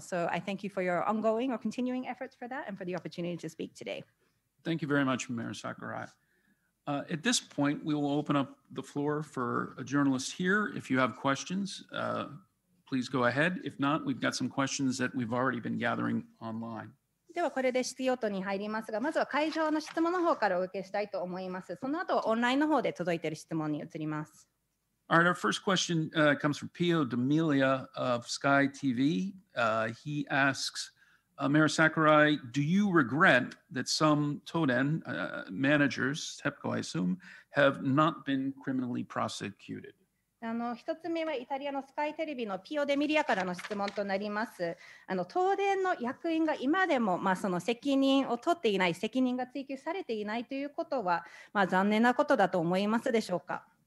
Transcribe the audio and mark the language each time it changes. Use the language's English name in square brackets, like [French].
[English] So I thank you for your ongoing or continuing efforts for that and for the opportunity to speak today. Thank you very much, Mayor Sakurai. At this point, we will open up the floor for a journalist here. If you have questions, please go ahead. If not, we've got some questions that we've already been gathering online. [Japanese] ではこれで質疑応答に入りますが、まずは会場の質問の方からお受けしたいと思います。その後、オンラインの方で届いている質問に移ります。 [English] All right, our first question comes from Pio D'Amelia of Sky TV. He asks,Mayor Sakurai, do you regret that some Toden managers, TEPCO, I assume, have not been criminally prosecuted? [Japanese] 一つ目はイタリアのスカイテレビのピオデミリアからの質問となります。東電の役員が今でも、まあ、その責任を取っていない、責任が追及されていないということは、まあ、残念なことだと思いますでしょうか。